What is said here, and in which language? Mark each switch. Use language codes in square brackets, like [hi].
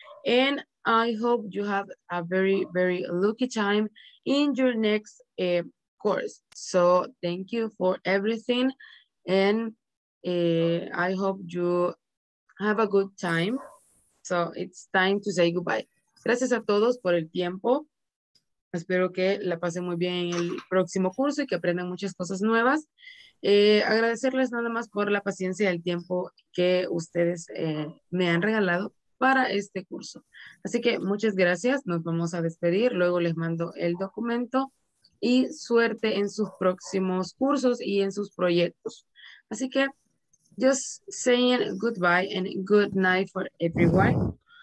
[en] And I hope you have a very, very lucky time in your next course. So thank you for everything. And I hope you have a good time. So it's time to say goodbye. [es] Gracias a todos por el tiempo. Espero que la pasen muy bien en el próximo curso y que aprendan muchas cosas nuevas. Agradecerles nada más por la paciencia y el tiempo que ustedes me han regalado para este curso. Así que muchas gracias. Nos vamos a despedir. Luego les mando el documento y suerte en sus próximos cursos y en sus proyectos. Así que [en] just saying goodbye and good night for everyone.